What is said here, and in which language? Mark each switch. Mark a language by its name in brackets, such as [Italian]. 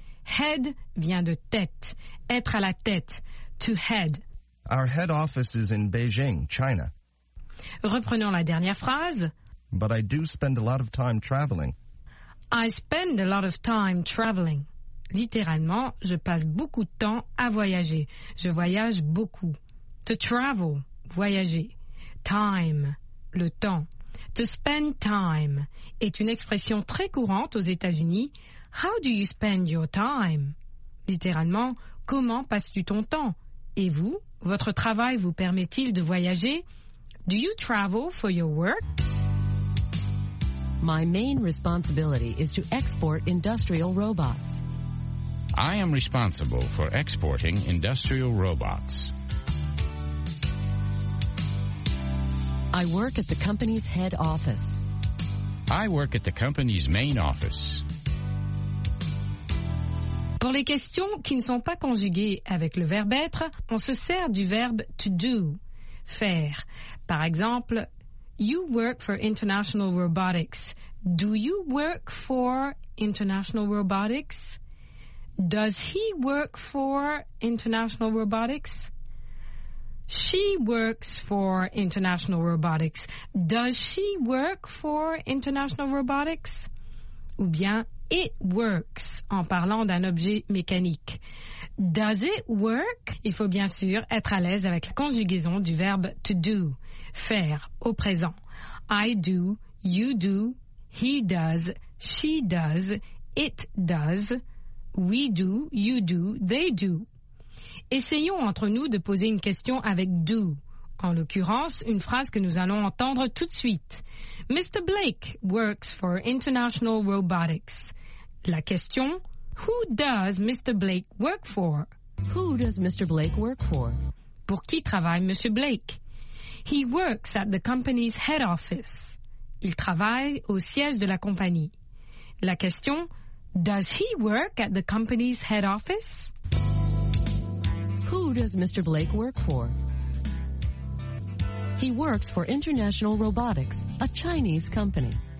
[French] Head vient de tête, être à la tête, to head. [English] Our head office is in Beijing, China. [French] Reprenons la dernière phrase. [English] But I do spend a lot of time traveling. I spend a lot of time traveling. [French] Littéralement, je passe beaucoup de temps à voyager. Je voyage beaucoup. To travel, voyager. Time, le temps. To spend time est une expression très courante aux États-Unis. [English] How do you spend your time? [French] Littéralement, comment passes-tu ton temps? Et vous, votre travail vous permet-il de voyager? [English] Do you travel for your work? My main responsibility is to export industrial robots. I am responsible for exporting industrial robots. I work at the company's head office. I work at the company's main office. [French] Pour les questions qui ne sont pas conjuguées avec le verbe être, on se sert du verbe to do, faire. Par exemple, [English] you work for International Robotics. Do you work for International Robotics? Does he work for International Robotics? She works for International Robotics. Does she work for International Robotics? [French] Ou bien, [English] it works, [French] en parlant d'un objet mécanique. [English] Does it work? [French] Il faut bien sûr être à l'aise avec la conjugaison du verbe to do, faire, au présent. [English] I do, you do, he does, she does, it does. We do, you do, they do. [French] Essayons entre nous de poser une question avec « do ». En l'occurrence, une phrase que nous allons entendre tout de suite. [English] « Mr. Blake works for International Robotics ». [French] La question [English] « Who does Mr. Blake work for ?»« Who does Mr. Blake work for ?» [French] Pour qui travaille Monsieur Blake ?« [English] He works at the company's head office ». [French] Il travaille au siège de la compagnie. La question [English] « Does he work at the company's head office ?» Who does Mr. Blake work for? He works for International Robotics, a Chinese company.